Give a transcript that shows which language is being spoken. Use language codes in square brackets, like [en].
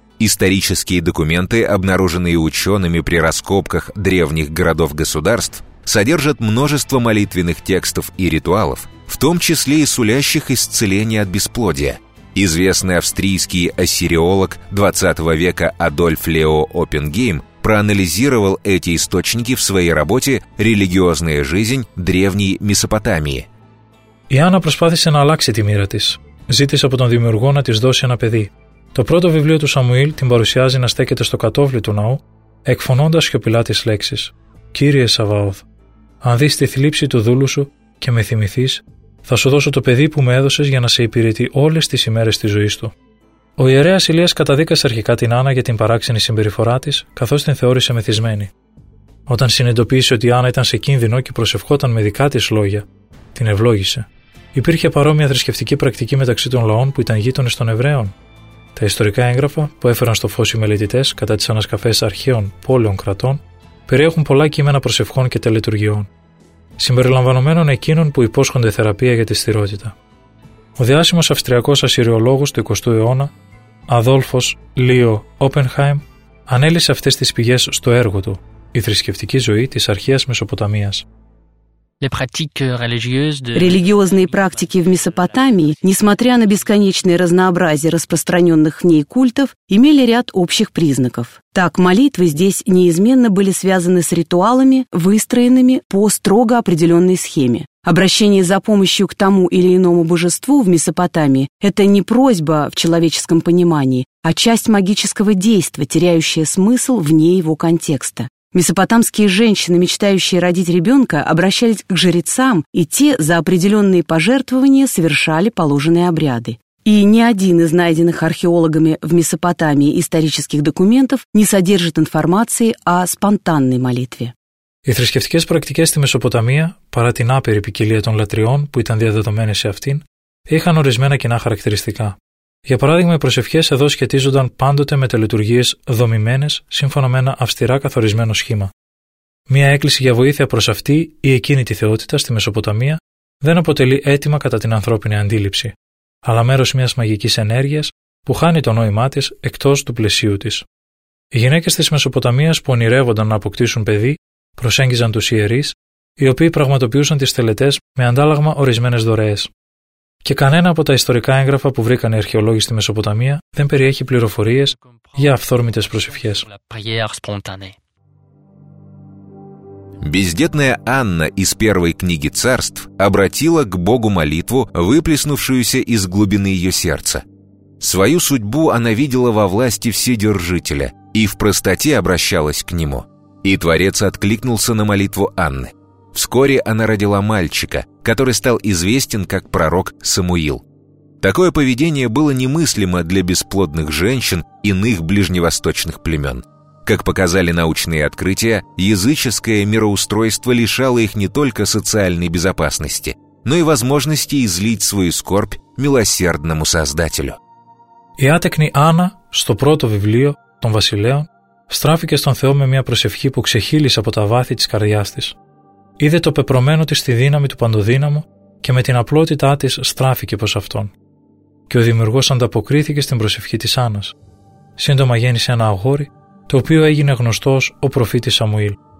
[ru] Исторические документы, обнаруженные учеными при раскопках древних городов-государств, содержат множество молитвенных текстов и ритуалов, в том числе и сулящих исцеление от бесплодия. Известный австрийский ассириолог 20 века Адольф Лео Оппенгейм проанализировал эти источники в своей работе «Религиозная жизнь древней Месопотамии». [el] Η Άννα προσπάθησε να αλλάξει τη μοίρα της. Ζήτησε από τον Δημιουργό να της δώσει ένα παιδί. Το πρώτο βιβλίο του Σαμουήλ την παρουσιάζει να στέκεται στο κατώφλι του ναού, εκφωνώντας σιωπηλά τις λέξεις «Κύριε Σαβαώθ, αν δεις τη θλίψη του δούλου σου και με θυμηθείς, θα σου δώσω το παιδί που με έδωσες για να σε υπηρετεί όλες τις ημέρες της ζωής του». Ο ιερέας Ηλίας καταδίκασε αρχικά την Άννα για την παράξενη συμπεριφορά της, καθώς την θεώρησε μεθυσμένη. Όταν συνειδητοποίησε ότι η Άννα ήταν σε κίνδυνο και προσευχόταν με δικά της λόγια, την ευλόγησε. Υπήρχε παρόμοια θρησκευτική πρακτική μεταξύ των λαών που ήταν γείτονες των Εβραίων. Τα ιστορικά έγγραφα που έφεραν στο φως οι μελετητές κατά τις ανασκαφές αρχαίων πόλεων κρατών περιέχουν πολλά κείμενα προσευχών και τελετουργιών, συμπεριλαμβανομένων εκείνων που υπόσχονται θεραπεία για τη στηρότητα. Ο διάσημος αυστριακός ασσυριολόγος του 20ου αιώνα, Αδόλφος Λίο Όπενχάιμ, ανέλησε αυτές τις πηγές στο έργο του «Η θρησκευτική ζωή της αρχαίας Μεσοποταμίας». [ru] Религиозные практики в Месопотамии, несмотря на бесконечное разнообразие распространенных в ней культов, имели ряд общих признаков. Так, молитвы здесь неизменно были связаны с ритуалами, выстроенными по строго определенной схеме. Обращение за помощью к тому или иному божеству в Месопотамии – это не просьба в человеческом понимании, а часть магического действия, теряющая смысл вне его контекста. Месопотамские женщины, мечтающие родить ребенка, обращались к жрецам, и те за определенные пожертвования совершали положенные обряды. И ни один из найденных археологами в Месопотамии исторических документов не содержит информации о спонтанной молитве. [el] Οι θρησκευτικές πρακτικές στη Μεσοποταμία, παρά την άπειρη ποικιλία των λατριών που ήταν διαδεδομένες σε αυτήν, είχαν ορισμένα κοινά χαρακτηριστικά. Για παράδειγμα, οι προσευχές εδώ σχετίζονταν πάντοτε με τελετουργίες δομημένες σύμφωνα με ένα αυστηρά καθορισμένο σχήμα. Μία έκκληση για βοήθεια προς αυτή ή εκείνη τη θεότητα στη Μεσοποταμία δεν αποτελεί αίτημα κατά την ανθρώπινη αντίληψη, αλλά μέρος μιας μαγικής ενέργειας που χάνει το νόημά της εκτός του πλαισίου της. Οι γυναίκες της Μεσοποταμίας που ονειρεύονταν να αποκτήσουν παιδί προσέγγιζαν τους ιερείς, οι οποίοι πραγματοποιούσαν τις τελετές με αντάλλαγμα ορισμένες δωρεές. Και κανένα από τα ιστορικά έγγραφα που βρήκαν οι αρχαιολόγοι στη Μεσοποταμία δεν περιέχει πληροφορίες για αυθόρμητες προσευχές. [ru] Бездетная Анна из первой книги царств обратила к Богу молитву, выплеснувшуюся из глубины ее сердца. Свою судьбу она видела во власти Вседержителя и в простоте обращалась к нему. И Творец откликнулся на молитву Анны. Вскоре она родила мальчика, который стал известен как пророк Самуил. Такое поведение было немыслимо для бесплодных женщин иных ближневосточных племен. Как показали научные открытия, языческое мироустройство лишало их не только социальной безопасности, но и возможности излить свою скорбь милосердному Создателю. [el] Η άτεκνη Άννα, στο πρώτο βιβλίο των Βασιλέων, στράφηκε στον Θεό με μια προσευχή που ξεχύλισε από τα βάθη της καρδιάς της. Είδε το πεπρωμένο της στη δύναμη του Παντοδύναμου και με την απλότητά της στράφηκε προς Αυτόν. Και ο Δημιουργός ανταποκρίθηκε στην προσευχή της Άννας. Σύντομα γέννησε ένα αγόρι, το οποίο έγινε γνωστός ο προφήτης Σαμουήλ.